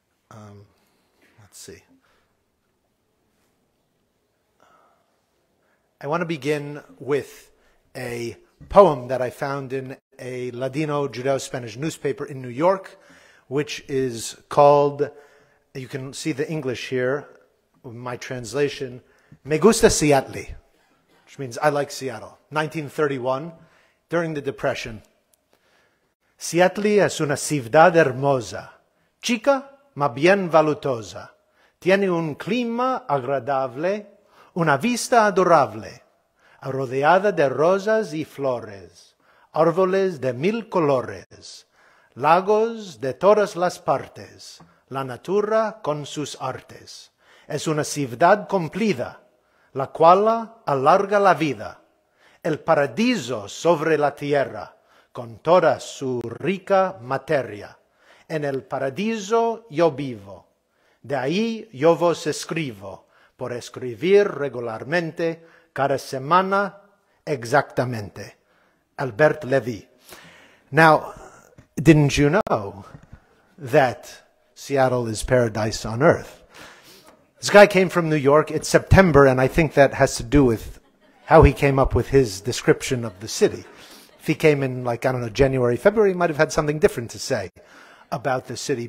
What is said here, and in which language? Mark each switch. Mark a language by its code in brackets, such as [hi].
[en] I want to begin with a poem that I found in a Ladino Judeo-Spanish newspaper in New York, which is called, you can see the English here, my translation, [lad] Me gusta Seattle, [en] which means I like Seattle, 1931, during the Depression. [lad] Seattle es una ciudad hermosa, chica, ma bien valutosa. Tiene un clima agradable, una vista adorable, rodeada de rosas y flores, árboles de mil colores, lagos de todas las partes, la natura con sus artes. Es una ciudad cumplida, la cual alarga la vida, el paraíso sobre la tierra, con toda su rica materia. En el paraíso yo vivo, de ahí yo vos escribo, por escribir regularmente, cada semana, exactamente. Albert Levy. [en] Now, didn't you know that Seattle is paradise on earth? This guy came from New York. It's September, and I think that has to do with how he came up with his description of the city. If he came in, like, I don't know, January, February, he might have had something different to say about the city.